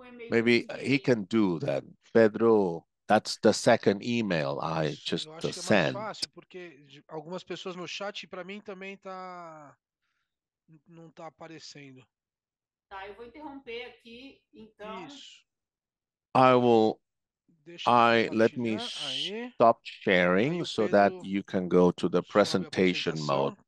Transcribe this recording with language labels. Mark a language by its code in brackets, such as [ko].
[en] Maybe he can do that. Pedro, that's the second email I just sent. [pt] Algumas pessoas no chat, para mim também tá, não tá aparecendo. [en] I will, let me stop sharing so that you can go to the presentation mode.